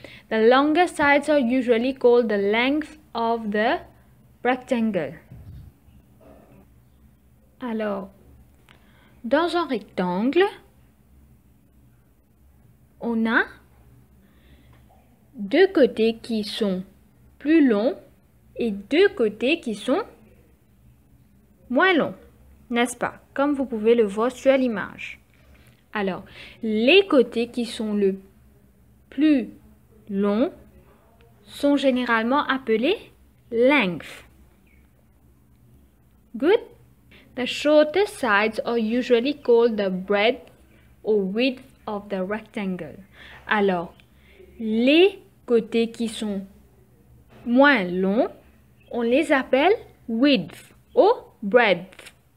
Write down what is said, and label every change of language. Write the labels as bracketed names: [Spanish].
[English] The longer sides are usually called the length of the rectangle. [French] Alors, dans un rectangle, on a deux côtés qui sont plus longs et deux côtés qui sont moins longs, n'est-ce pas? Comme vous pouvez le voir sur l'image. Alors, les côtés qui sont le plus longs sont généralement appelés length. [English] Good? The shorter sides are usually called the breadth or width of the rectangle. [French] Alors, les côtés qui sont moins longs, on les appelle width ou breadth.